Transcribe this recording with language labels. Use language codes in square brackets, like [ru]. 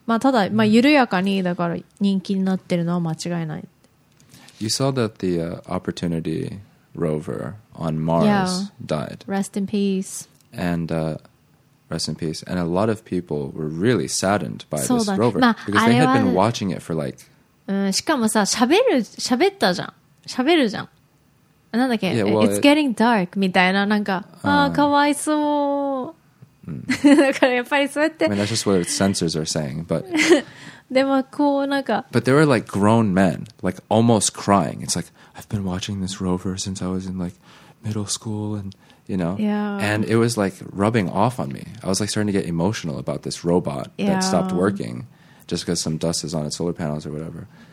[ja] まあただ、まあ緩やかにだから人気になってるのは間違いない。 [en] You saw that the opportunity rover on Mars died. Rest in peace. And rest in peace. And a lot of people were really saddened by this rover、 [ja] まあ、 [en] because they had been watching it for like. [ja] しかもさ、喋ったじゃん。喋るじゃん。なんだっけ、 [en] yeah, well, It's getting dark [ja] みたいな、なんか、ああ、かわいそう。だからやっぱりそうやって。 [en] I mean, that's just what its sensors are saying, but. [ja] でもこうなんか。 [en] But there were like grown men, like almost crying. It's like, I've been watching this rover since I was in like middle school and, you know. Yeah. And it was like rubbing off on me. I was like starting to get emotional about this robot that stopped working just because some dust is on its solar panels or whatever.